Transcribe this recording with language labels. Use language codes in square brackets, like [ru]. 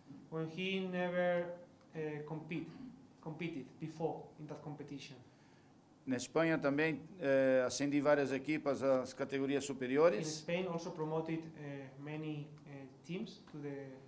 [en] When he never competed before in that competition. [pt] Na Espanha também ascendi várias equipas às categorias superiores. [en] In Spain also promoted many teams to the.